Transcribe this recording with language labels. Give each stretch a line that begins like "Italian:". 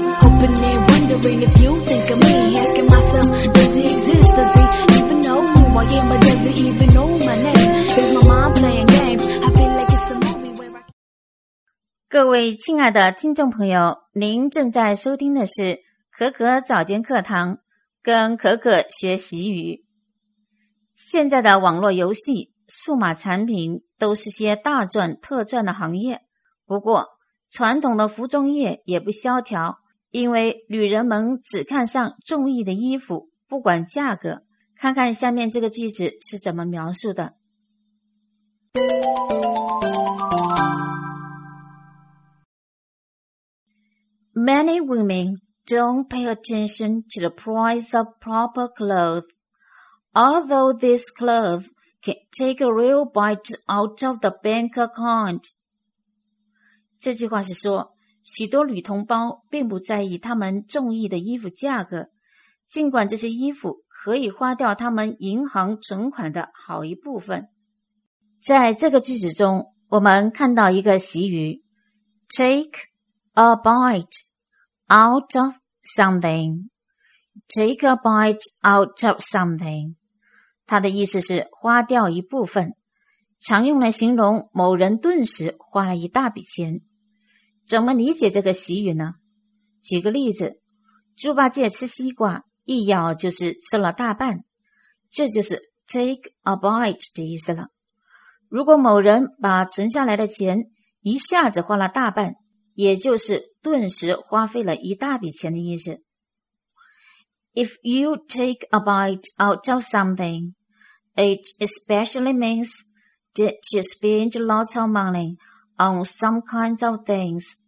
English: Hoping and wondering if you think of me. Asking myself, does he exist? Does he even know who I am? Or does he even know my name? Is my mind playing games? I feel like it's a movie where I...
Chinese: 各位亲爱的听众朋友，您正在收听的是可可早间课堂，跟可可学习语。现在的网络游戏、数码产品都是些大赚特赚的行业，不过传统的服装业也不萧条，因为女人们只看上中意的衣服，不管价格。看看下面这个句子是怎么描述的。
English: Many womenDon't pay attention to the price of proper clothes. Although this clothes can take a real bite out of the bank account.
Chinese: 这句话是说，许多女同胞并不在意她们中意的衣服价格，尽管这些衣服可以花掉她们银行存款的好一部分。在这个句子中，我们看到一个习语 , take a bite.
English: Out of something, take a bite out of something.
Chinese: 它的意思是花掉一部分，常用来形容某人顿时花了一大笔钱。怎么理解这个习语呢？举个例子，猪八戒吃西瓜，一咬就是吃了大半，这就是 take a bite 的意思了。如果某人把存下来的钱一下子花了大半，也就是顿时花费了一大笔钱的意思。
English: If you take a bite out of something, it especially means that you spend lots of money on some kinds of things.